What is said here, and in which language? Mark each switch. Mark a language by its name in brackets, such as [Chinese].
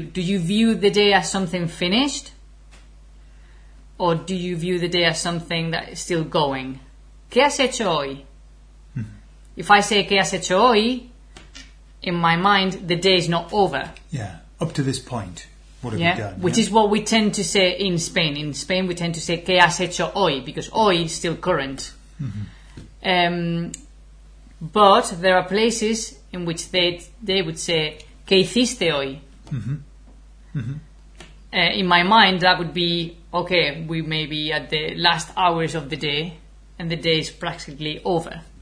[English] Do you view the day as something finished? Or do you view the day as something that is still going? [Spanish] ¿Qué has hecho hoy? Hmm. [English] If I say [Spanish] ¿qué has hecho hoy?, [English] in my mind, the day is not over. Yeah, up to this point, what have you done? Which is what we tend to say in Spain. In Spain, we tend to say [Spanish] ¿qué has hecho hoy? [English] Because hoy is still current. Mm-hmm. But there are places in which they would say [Spanish] ¿qué hiciste hoy? Mm-hmm. Mm-hmm. [English] In my mind, that would be, okay, we may be at the last hours of the day, and the day is practically over.